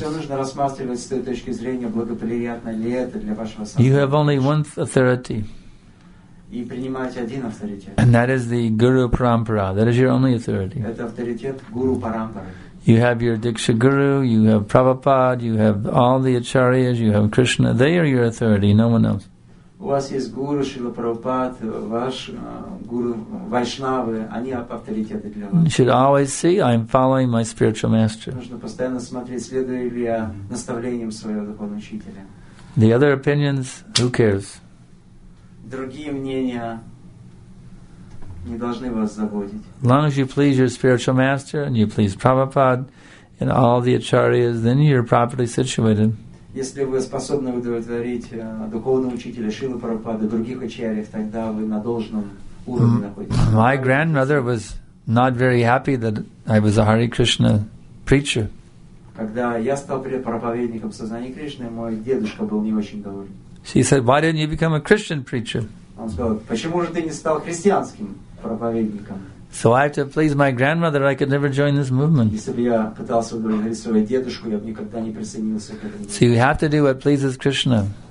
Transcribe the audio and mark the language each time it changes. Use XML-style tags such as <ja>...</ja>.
<en>You have only one authority. And that is the Guru Parampara. That is your only authority. You have your Diksha Guru, you have Prabhupada, you have all the Acharyas, you have Krishna. They are your authority, no one else.</en> <ru>У вас есть гуру Шрила Прабхупада, ваш гуру Вайшнавы, они авторитеты для вас.</ru> <en>You should always see, I'm following my spiritual master.</en> <ru>Нужно постоянно смотреть, следую ли я наставлениям своего духовного учителя.</ru> <en>The other opinions, who cares?</en> <ru>Другие мнения не должны вас заботить.</ru> <en>As long as you please your spiritual master and you please Prabhupada and all the acharyas, then you're properly situated.</en> <ru>Если вы способны удовлетворить духовного учителя Шрилы Прабхупады, других ачарьев, тогда вы на должном уровне находитесь.</ru> <en>My grandmother was not very happy that I was a Hare Krishna preacher.</en> <ru>Когда я стал проповедником сознания Кришны, мой дедушка был не очень доволен.</ru> <en>She said, "Why didn't you become a Christian preacher?"</en> <ru>Он сказал, "Почему же ты не стал христианским проповедником?"</ru> <en>So I have to please my grandmother, I could never join this movement. So you have to do what pleases Krishna.</en>